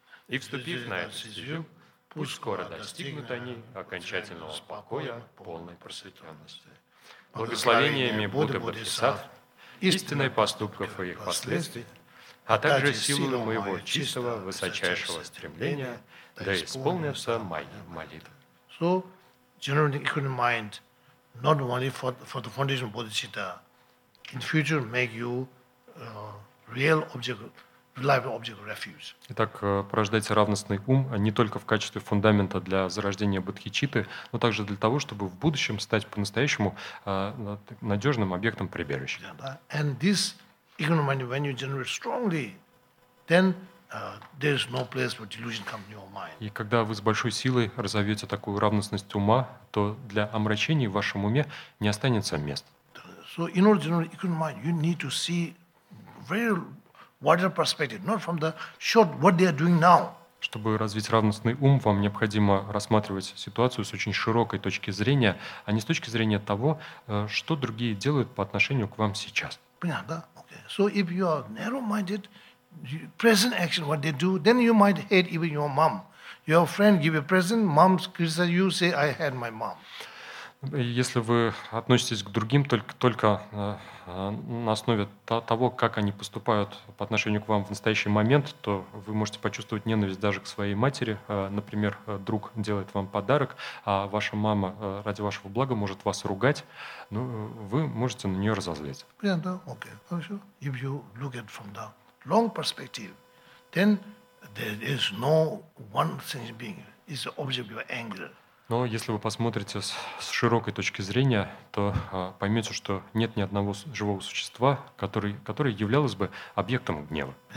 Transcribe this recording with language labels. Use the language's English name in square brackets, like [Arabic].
[Russian] И вступив на эту стезю, пусть скоро достигнут они окончательного покоя, полной просветленности. Благословениями Будды Бодхисаттв, истинной поступков и их последствий, а также силой моего чистого, высочайшего стремления, да исполнятся мои молитвы. [English] So, generally, you couldn't mind, not only for the foundation of Bodhisattva, in future make you real object, reliable object of refuge. [Russian] Итак, порождайте равностный ум не только в качестве фундамента для зарождения бодхичитты, но также для того, чтобы в будущем стать по-настоящему надежным объектом прибежища. [English] Yeah, and this equanimity, when you generate strongly, then there is no place for delusion come to your mind. [Russian] И когда вы с большой силой разовьете такую равностность ума, то для омрачений в вашем уме не останется места. [English] So in order to know the equanimous mind, you need to see very wider perspective, not from the short what they are doing now. [Russian] Чтобы развить равностный ум, вам необходимо рассматривать ситуацию с очень широкой точки зрения, а не с точки зрения того, что другие делают по отношению к вам сейчас. Понятно? Okay. [English] So if you are narrow-minded, present action what they do, then you might hate even your mom. Your friend give a present, mom criticize you, say I hate my mom. [Russian] Если вы относитесь к другим только на основе того, как они поступают по отношению к вам в настоящий момент, то вы можете почувствовать ненависть даже к своей матери. Например, друг делает вам подарок, а ваша мама ради вашего блага может вас ругать. Ну, вы можете на нее разозлиться. Да, окей. Хорошо. [English] If you look at from the long perspective, then there is no one sentient being. It's the object of your anger. [Russian] Но если вы посмотрите с широкой точки зрения, то поймете, что нет ни одного живого существа, которое являлось бы объектом гнева.